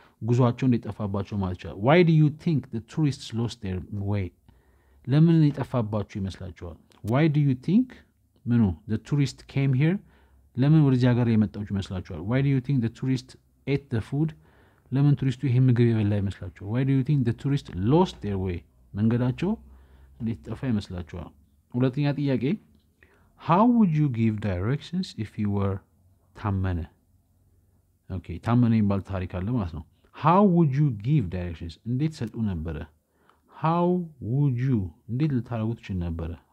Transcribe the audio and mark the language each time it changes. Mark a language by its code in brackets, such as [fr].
[am] ጉዟቸው እንደጠፋባቸው ማለት ይችላል [en] why do you think the tourists lost their way [am] ለምን እንደጠፋባቸው ይመስላችኋል [en] why do you think ምኑ the tourist came here [am] ለምን ወደዚህ ሀገር የመጣው ይመስላችኋል [en] why do you think the tourist ate the food [am] ለምን ቱሪስቱ ይሄን ምግብ የበላ ይመስላችኋል [en] why do you think the tourist lost their way መንገዳቸው [am] ሊጠፋ ይመስላችኋል? ሁለተኛ ጥያቄ [en] how would you give directions if you were ታመነ? [am] ኦኬ ታመነ የሚባል ታሪክ አለ ማለት ነው። [en] how would you give directions [am] እንዴት ሰጡ ነበረ? [en] how would you [am] እንዴት ልታረጉት ይችላል ነበረ?